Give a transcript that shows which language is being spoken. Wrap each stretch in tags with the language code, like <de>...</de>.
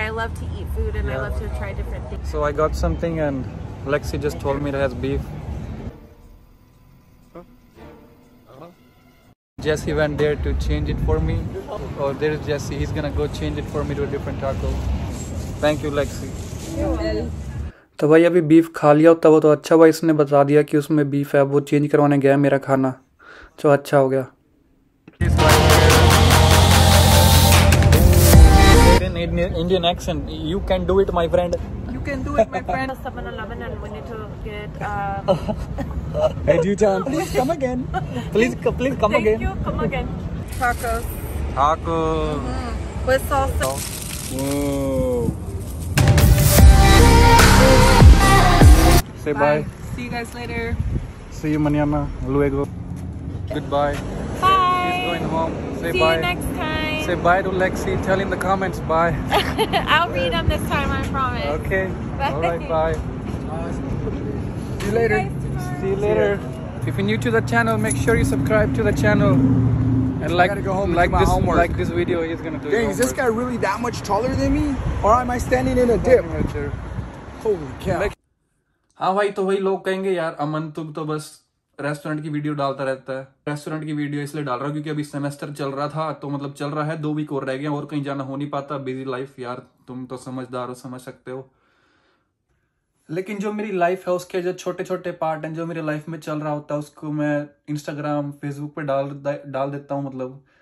<en>I love to eat food and I love to try different things. So I got something and Lexi just told me it has beef. Jesse went there to change it for me. Oh, there's Jesse. He's gonna go change it for me to a different taco. Thank you, Lexi.</en> <hi>तो भाई अभी beef खा लिया होता वो तो अच्छा भाई, इसने बता दिया कि उसमें बीफ है, वो चेंज करवाने गया मेरा खाना, जो अच्छा हो गया।</hi> <en>Indian accent, you can do it, my friend. You can do it, my friend. 7-Eleven and we need to get. Hey, you John, please come again. Please come again. Thank you. Come again. Tacos. Taco. With salsa. Whoa. Say bye. See you guys later. See you mañana. Luego. Goodbye. Bye. He's going home. Say see bye. See you next time. Say bye to Lexi. Tell him the comments. Bye. I'll read them this time, I promise. Okay. Bye. Alright, bye. See you later. See you later. If you're new to the channel, make sure you subscribe to the channel. And like, I gotta go home and like do my homework. Like this video, he's gonna do it. Dang, is this guy really that much taller than me? Or am I standing in a dip?</en> <hi>हाँ भाई, तो वही लोग कहेंगे यार अमन तुम तो बस रेस्टोरेंट की वीडियो डालता रहता है। रेस्टोरेंट की वीडियो इसलिए डाल रहा हूँ क्योंकि अभी सेमेस्टर चल रहा था, तो मतलब चल रहा है, 2 वीक और रह गए, और कहीं जाना हो नहीं पाता, बिजी लाइफ। यार तुम तो समझदार हो, समझ सकते हो, लेकिन जो मेरी लाइफ है उसके जो छोटे छोटे पार्ट हैं जो मेरे लाइफ में चल रहा होता है उसको मैं इंस्टाग्राम फेसबुक पे डाल देता हूँ मतलब।</hi>